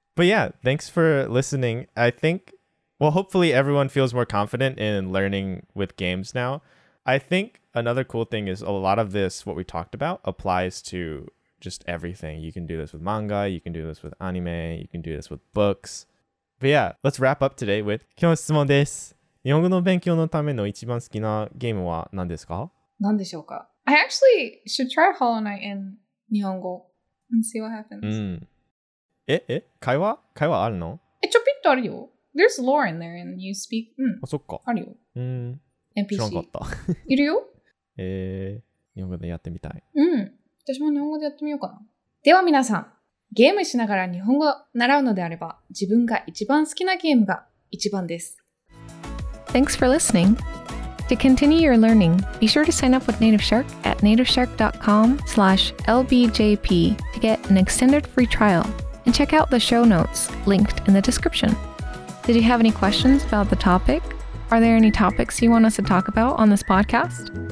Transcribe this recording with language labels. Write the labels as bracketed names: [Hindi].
[English] But yeah, thanks for listening. I think... Well, hopefully everyone feels more confident in learning with games now. I think another cool thing is a lot of this, what we talked about, applies to just everything. You can do this with manga, you can do this with anime, you can do this with books. But yeah, let's wrap up today with [Japanese] 今日の質問です。日本語の勉強のための一番好きなゲームは何ですか？何でしょうか？ [English] I actually should try Hollow Knight in 日本語 and see what happens. [Japanese] え？会話？会話あるの？え、ちょぴっとあるよ。 [English] There's lore in there and you speak. [Japanese] あ、そっか。あるよ。NPC。知らんかった。いるよ。日本語でやってみたい。私も日本語でやってみようかな。では皆さん、ゲームしながら日本語を習うのであれば、自分が一番好きなゲームが一番です。 [English] Thanks for listening. To continue your learning, be sure to sign up with Native Shark at nativeshark.com/lbjp to get an extended free trial and check out the show notes linked in the description. Did you have any questions about the topic? Are there any topics you want us to talk about on this podcast?